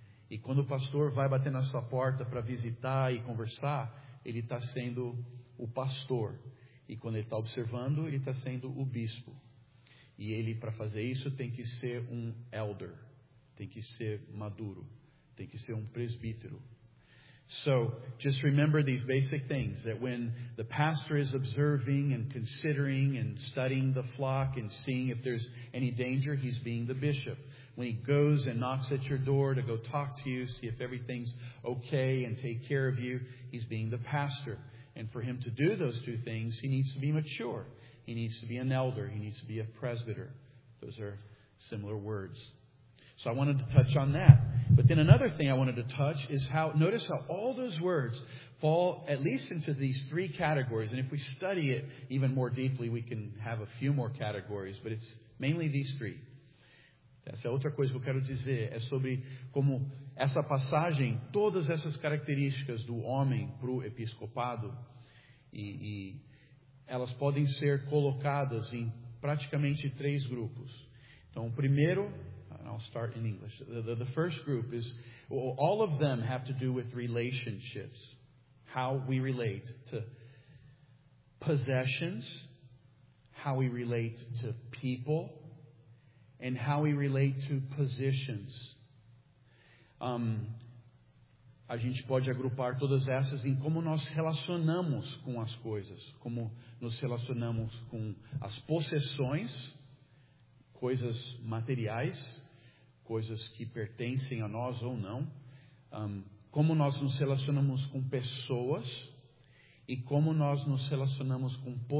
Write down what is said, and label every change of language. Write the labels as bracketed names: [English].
[Portuguese] E quando o pastor vai bater na sua porta para visitar e conversar, ele está sendo o pastor. E quando ele está observando, ele está sendo o bispo. E ele, para fazer isso, tem que ser um elder. Tem que ser maduro. Tem que ser um presbítero. [English] So, just remember these basic things, that when the pastor is observing and considering and studying the flock and seeing if there's any danger, he's being the bishop. When he goes and knocks at your door to go talk to you, see if everything's okay and take care of you, he's being the pastor. And for him to do those two things, he needs to be mature. He needs to be an elder. He needs to be a presbyter. Those are similar words. So I wanted to touch on that. But then another thing I wanted to touch is how, notice how all those words fall at least into these three categories. And if we study it even more deeply, we can have a few more categories. But it's mainly these three. [Portuguese] Essa é outra coisa que eu quero dizer, é sobre como essa passagem, todas essas características do homem para o episcopado, e elas podem ser colocadas em praticamente três grupos. Então, o primeiro, [English] I'll start in English, the first group is, well, all of them have to do with relationships, how we relate to possessions, how we relate to people, and how we relate to positions. [Portuguese] A gente pode agrupar todas essas em como nós relacionamos com as coisas, como nos relacionamos com as possessões, coisas materiais, coisas que pertencem a nós ou não, como nós nos relacionamos com pessoas e como nós nos relacionamos com